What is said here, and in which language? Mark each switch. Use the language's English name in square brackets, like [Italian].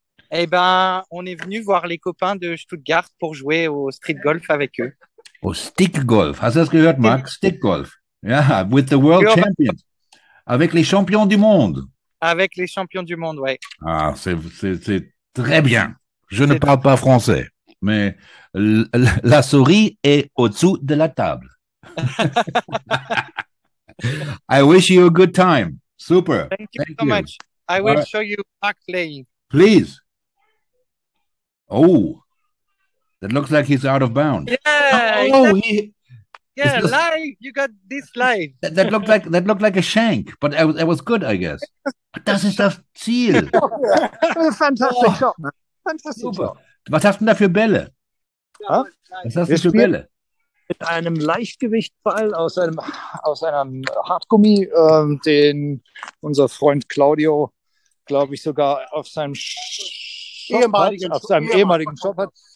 [French] Eh ben, on est venu voir les copains de Stuttgart pour jouer au street golf avec eux. Au stick golf. [German] Hast du das gehört, Marc? [French] Stick golf. [English] Yeah, with the world champions. [French] Avec les champions du monde. Avec les champions du monde, ouais. Ah, c'est très bien. Je ne parle pas français, mais la souris est au-dessous de la table. [English] I wish you a good time. Super. Thank you so much. I will show you Mark playing. Please. Oh, that looks like he's out of bounds. Yeah. Oh, live. You got this live. That looked like a shank, but it was good, I guess. [German] Das ist das Ziel. Fantastisch. Was hast du denn da für Bälle? Ja, was hast du für Bälle? Mit einem Leichtgewichtball aus einem Hartgummi, den unser Freund Claudio, glaube ich, sogar auf seinem ehemaligen Shop hat.